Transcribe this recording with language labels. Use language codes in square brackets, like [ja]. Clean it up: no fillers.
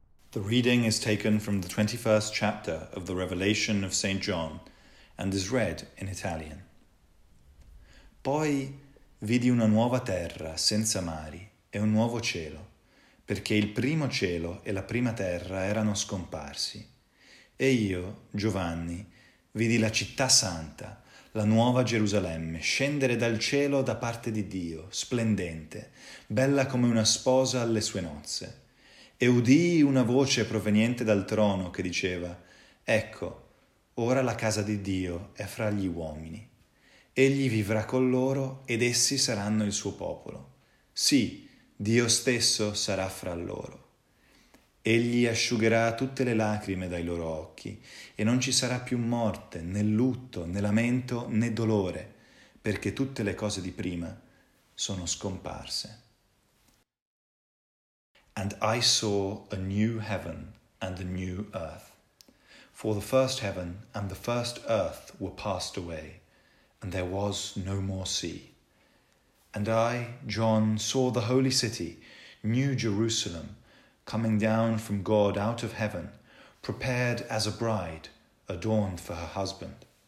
[en] The reading is taken from the 21st chapter of the Revelation of St. John and is read in Italian. [it] Poi vidi una nuova terra senza mari e un nuovo cielo, perché il primo cielo e la prima terra erano scomparsi. E io, Giovanni, vidi la città santa, la nuova Gerusalemme, scendere dal cielo da parte di Dio, splendente, bella come una sposa alle sue nozze. E udii una voce proveniente dal trono che diceva, «Ecco, ora la casa di Dio è fra gli uomini. Egli vivrà con loro ed essi saranno il suo popolo. Sì, Dio stesso sarà fra loro. Egli asciugherà tutte le lacrime dai loro occhi e non ci sarà più morte, né lutto, né lamento, né dolore, perché tutte le cose di prima sono scomparse. [en] And I saw a new heaven and a new earth. For the first heaven and the first earth were passed away, and there was no more sea. And I, John, saw the holy city, New Jerusalem, coming down from God out of heaven, prepared as a bride, adorned for her husband.